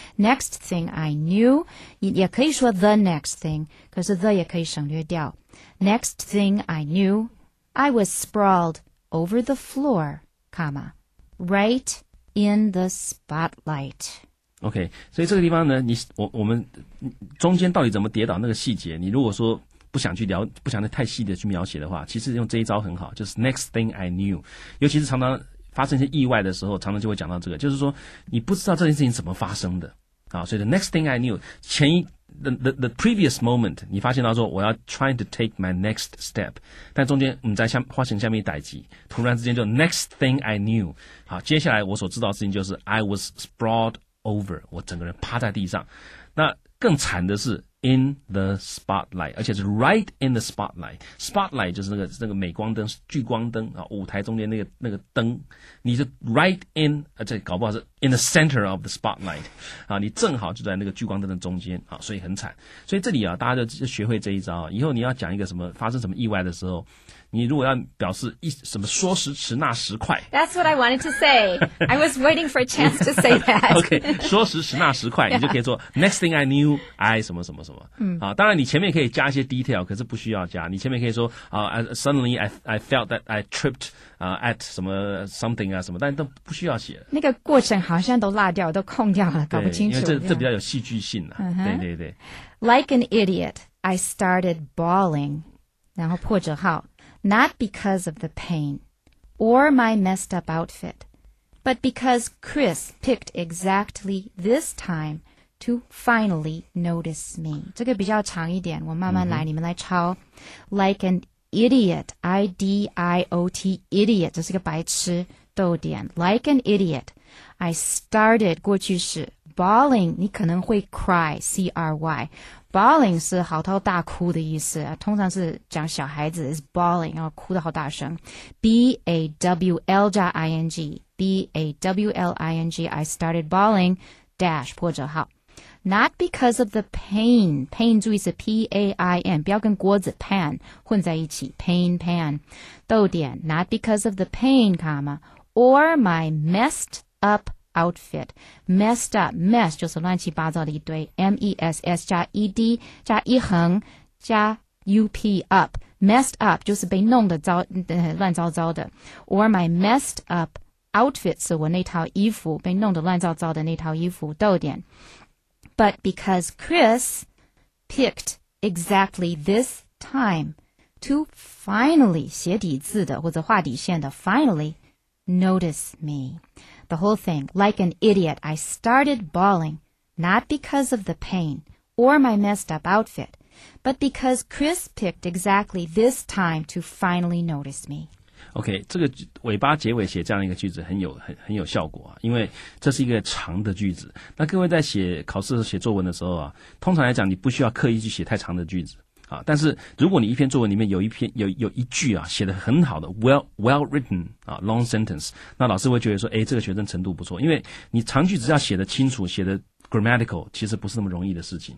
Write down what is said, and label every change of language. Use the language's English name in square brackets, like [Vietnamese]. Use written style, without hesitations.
[English] Next thing I knew， [Chinese] 也可以说 [English] the next thing， [Chinese] 可是 the 也可以省略掉。 [English] Next thing I knew， I was sprawled over the floor， comma， right in the spotlight。 [Chinese] OK， 所以这个地方呢，我们中间到底怎么跌倒那个细节，你如果说不想去聊，不想太细的去描写的话，其实用这一招很好，就是 [English] next thing I knew， [Chinese] 尤其是常常发生一些意外的时候，常常就会讲到这个，就是说你不知道这件事情怎么发生的啊，所以 [English] the next thing I knew， [Chinese] 前一 [English] the previous moment， [Chinese] 你发现到说我要 [English] trying to take my next step， [Chinese] 但中间你在下花钱下面逮鸡，突然之间就 next thing I knew， 好，接下来我所知道的事情就是 [English] I was sprawled。 [Chinese] Over， 我整个人趴在地上。那更惨的是 [English] ，in the spotlight， [Chinese] 而且是 [English] right in the spotlight。 [Chinese] Spotlight 就是那个镁光灯、聚光灯啊，舞台中间那个灯。你是 [English] right in， [Chinese] 而且搞不好是 [English] in the center of the spotlight， [Chinese] 啊，你正好就在那个聚光灯的中间啊，所以很惨。所以这里啊，大家就学会这一招。以后你要讲一个什么发生什么意外的时候。你如果要表示一什么说时迟那时快 [English] ，That's what I wanted to say. I was waiting for a chance to say that. [Chinese] OK， 说时迟那时快，你就可以说、 [English] yeah. Next thing I knew, I [Chinese] 什么什么什么。嗯，啊，当然你前面可以加一些 detail， 可是不需要加。你前面可以说啊、， [English] Suddenly I felt that I tripped、 [Chinese] at 什么 something 啊什么，但都不需要写。那个过程好像都落掉，都空掉了，搞不清楚。因为这比较有戏剧性的、啊。Uh-huh. 对对对。 [English] Like an idiot, I started bawling. [Chinese] 然后破折号。 [English] Not because of the pain or my messed up outfit, but because Chris picked exactly this time to finally notice me. [Chinese] 这个比较长一点，我慢慢来，你们来抄。 [English] Like an idiot, I-D-I-O-T, idiot, [Chinese] 这是个白痴，逗点。 [English] Like an idiot, I started, [Chinese] 过去式 [English] bawling, [Chinese] 你可能会 [English] cry, C-R-Y. [Chinese] Bawling 是嚎啕大哭的意思、啊、通常是讲小孩子 [English] is bawling [Chinese] 然后哭得好大声 B-A-W-L 加 I-N-G B-A-W-L-I-N-G [English] I started bawling dash [Chinese] 破折号 [English] not because of the pain. Pain [Chinese] 注意是 [English] P-A-I-N, [Chinese] 不要跟锅子 [English] pan [Chinese] 混在一起 [English] pain, pan. [Chinese] 逗点 [English] not because of the pain, comma, or my messed up outfit. Messed up, [Chinese] mess 就是乱七八糟的一堆 M-E-S-S 加 E-D 加一横加 U-P up. [English] Messed up [Chinese] 就是被弄得糟、乱糟糟的 [English] Or my messed upOutfit [Chinese] 是我那套衣服被弄得乱糟糟的那套衣服逗点 [English] But because Chris picked exactly this time to finally [Chinese] 写底字的或者画底线的 [English] finally notice me The whole thing Like an idiot I started bawling Not because of the pain or my messed up outfit But because Chris picked exactly this time to finally notice me [Chinese] OK, 这个尾巴结尾写这样一个句子很有效果啊因为这是一个长的句子。那各位在写考试写作文的时候啊通常来讲你不需要刻意去写太长的句子啊但是如果你一篇作文里面有一句啊写得很好的 [English] well written, [Chinese] 啊 [English] long sentence, [Chinese] 那老师会觉得说诶这个学生程度不错因为你长句子要写得清楚写得grammatical 其实不是那么容易的事情